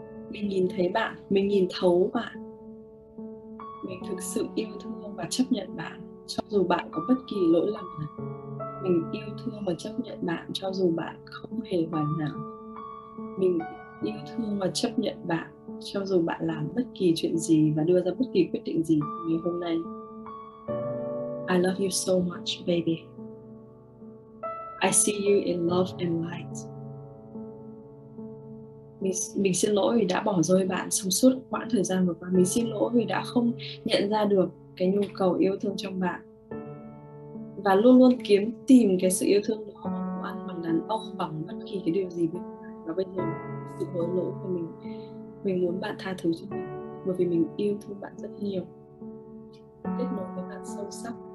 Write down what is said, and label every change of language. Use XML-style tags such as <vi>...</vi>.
<vi>mình nhìn thấy bạn, mình nhìn thấu bạn, mình thực sự yêu thương và chấp nhận bạn, cho dù bạn có bất kỳ lỗi lầm nào, mình yêu thương và chấp nhận bạn, cho dù bạn không hề hoàn hảo, mình yêu thương và chấp nhận bạn, cho dù bạn làm bất kỳ chuyện gì và đưa ra bất kỳ quyết định gì như hôm nay.</vi> <en>I love you so much, baby. I see you in love and light.</en> <vi>Mình xin lỗi vì đã bỏ rơi bạn trong suốt quãng thời gian vừa qua. Mình xin lỗi vì đã không nhận ra được cái nhu cầu yêu thương trong bạn. Và luôn luôn kiếm tìm cái sự yêu thương đó bằng đàn ông, bằng bất kỳ cái điều gì bên ngoài. Và bây giờ sự hối lỗi của mình, mình muốn bạn tha thứ cho mình, bởi vì mình yêu thương bạn rất nhiều, kết nối với bạn sâu sắc.</vi>